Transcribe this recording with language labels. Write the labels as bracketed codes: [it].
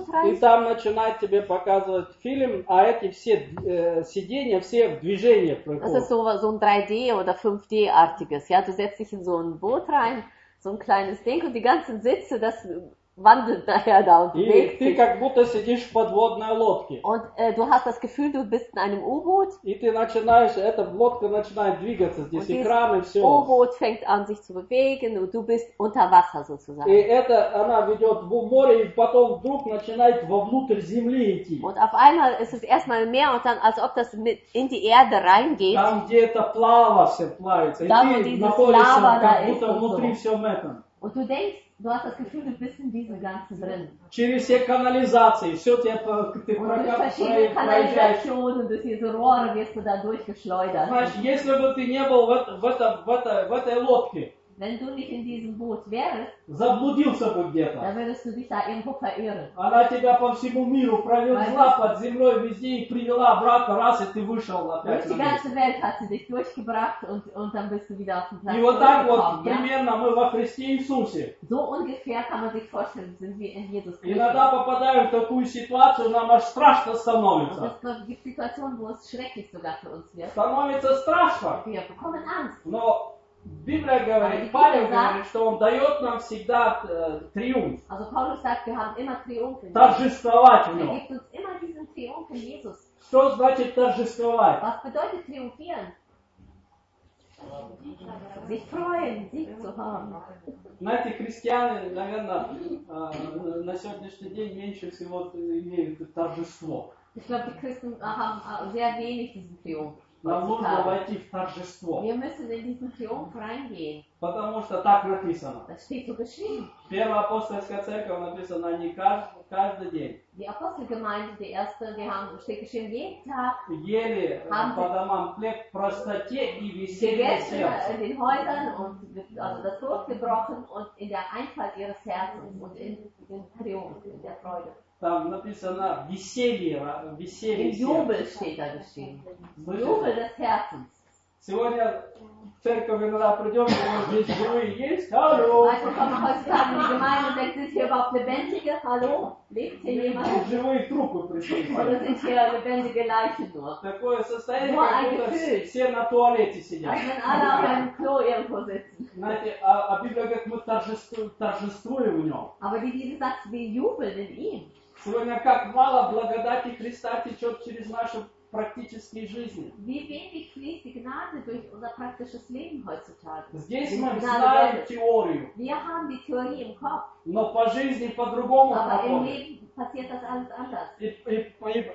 [ru] и там начинает тебе показывать фильм, а эти все сиденья, все в движение приходят. Это [de] so ein 3D oder 5D-artiges. Ja, du setzt dich in so ein Boot rein, so ein kleines Ding, und die ganzen Sitze, das wandelt daher da und bewegt sich. [ru] Ты как будто сидишь в подводной лодке. [de] Und du hast das Gefühl, du bist in einem U-Boot. [ru] И ты начинаешь, эта лодка начинает двигаться, здесь экран и все. [de] U-Boot fängt an sich zu bewegen, und du bist unter Wasser sozusagen. [ru] И это она ведет в море, и потом вдруг начинает вовнутрь земли идти. [de] Und auf einmal ist es erstmal im Meer, und dann als ob das mit in die Erde reingeht. [ru] Там, где эта плава все плавится, там, и ты находишься как будто внутри всем этом. [de] Und du denkst, du hast das Gefühl, du bist in diesem Ganzen drin. [ru] Через все канализации, все ты проезжаешь. [de] Durch diese Rohre wirst du da durchgeschleudert. [ru] Знаешь, если бы ты не был в этой лодке, [de] wenn du nicht in diesem Boot wärst, [ru] заблудился бы где-то. [de] Dann würdest du dich da irgendwo verirren. [ru] Она тебя по всему миру провезла под землей везде и привела обратно, раз и ты вышел опять. [de] Durch die ganze Welt hat sie dich durchgebracht, und dann bist du wieder auf dem Platz. [ru] И вот так вот примерно мы во Христе Иисусе. [de] So ungefähr kann man sich vorstellen, sind wir in Jesus Christus. [ru] Иногда попадаем в такую ситуацию, нам аж страшно становится. [de] Das gibt Situationen, wo es schrecklich sogar für uns wird. [ru] Становится страшно. [de] Wir bekommen Angst. [ru] Но Библия говорит, Павел говорит, что он дает нам всегда триумф. [de] Also Paulus sagt, wir haben immer Triumph in Jesus. [ru] Торжествовать в нем. [de] Er gibt uns immer diesen Triumph in Jesus. [ru] Что значит торжествовать? [de] Was bedeutet triumphieren? Sich freuen, Sieg zu haben. [ru] Знаете, христиане, наверное, на сегодняшний день меньше всего имеют торжество. [de] Ich glaube, die Christen haben sehr wenig diesen Triumph. [ru] Нам нужно войти в торжество. [de] Wir müssen in diesen Triumph reingehen. [ru] Потому что так написано. [de] Das steht so geschrieben. [ru] Первая апостольская церковь написана не каждый день. [de] Die Apostelgemeinde, die erste, wir haben, steht geschrieben, jeden Tag. [ru] Ели по домам хлеб в простоте и веселье сердце. [de] In den Häusern, und also das Brot gebrochen, und in der Einfalt ihres Herzens, und in den Triumph, in der Freude. [ru] Там написано веселье, веселье. [de] Jubel steht da geschrieben. Jubel des Herzens. [ru] Сегодня в церковь иногда придем, и вот здесь живые есть. Алло. [de] Also kommen wir heute Abend in die Gemeinde und denken, ist hier überhaupt lebendige? Hallo? Lebt hier jemand? [ru] Здесь живые трупы пришли. [de] Oder sind hier lebendige Leichen nur? [ru] Такое состояние, [de] nur [ru] как будто все на туалете сидят. [de] Also wenn alle auf einem Klo irgendwo sitzen. [ru] Знаете, а Библия говорит, мы торжествуем в нем. [de] Aber die Bibel sagt, wir jubeln in ihm. [ru] Сегодня как мало благодати Христа течет через наши практические жизни. [de] Wie wenig fließt die Gnade durch unser praktisches Leben heutzutage? [ru] Здесь мы знаем теорию. [de] Wir haben die Theorie im Kopf. [ru] Но по жизни по-другому проходит. [de] Passiert das alles anders.